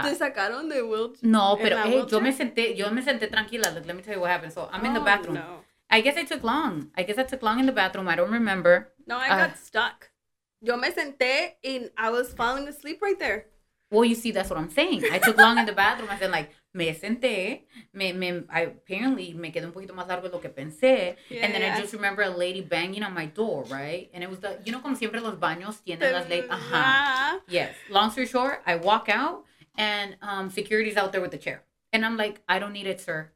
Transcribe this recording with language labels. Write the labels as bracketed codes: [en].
[es] Te sacaron de wheelchair. No, pero yo me senté tranquila. [en] Look, let me tell you what happened. So I'm in the bathroom. No. I guess I took long in the bathroom. I don't remember. No, I got stuck. [es] Yo me senté [en] and I was falling asleep right there. Well, you see, that's what I'm saying. I took long in the bathroom. I said, like, [es] me senté. [en] I apparently [es] me quedé un poquito más largo de lo que pensé. [en] Yeah, and then I just remember a lady banging on my door, right? And it was you know, [es] como siempre los baños tienen las leyes. [en] Yes. Long story short, I walk out and security's out there with the chair. And I'm like, I don't need it, sir.